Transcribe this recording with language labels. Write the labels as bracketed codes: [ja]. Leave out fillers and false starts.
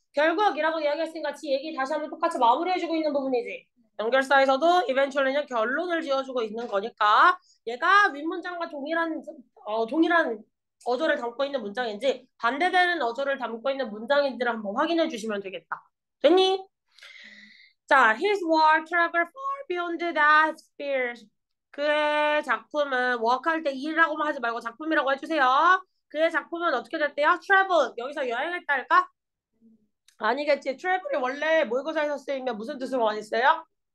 [ko] 결국이라고 이야기했으니까 지 얘기 다시 한번 똑같이 마무리해주고 있는 부분이지. 연결사에서도 eventually는 결론을 지어주고 있는 거니까 얘가 윗문장과 동일한 어조를 담고 있는 문장인지 반대되는 어조를 담고 있는 문장인지를 한번 확인해 주시면 되겠다. 됐니? [en] 자, his work traveled far beyond that sphere. [ko] 그의 작품은 work할 때 일이라고만 하지 말고 작품이라고 해주세요. 그의 작품은 어떻게 됐대요? travel 여기서 여행했다 할까? 아니겠지. travel이 원래 모의고사에서 쓰이면 무슨 뜻을 많이 써요?